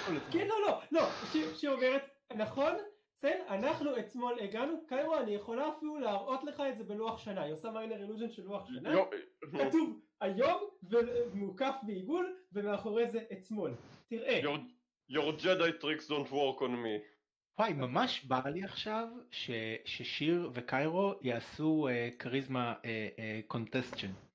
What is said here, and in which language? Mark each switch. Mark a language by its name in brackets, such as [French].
[Hebrew] כן, לא, לא, לא, שאומרת, נכון? כן, אנחנו אתמול הגענו, קיירו, אני יכולה אפילו להראות לך את זה בלוח שנה, היא עושה מיינר אילוז'ן של לוח שנה, כתוב היום ומוקף בעיגול, ומאחורי זה אתמול, תראה. [English] Your Jedi tricks don't work on me. [Hebrew] וואי, ממש בא לי עכשיו ששיר וקיירו יעשו קריזמה קונטסטשן.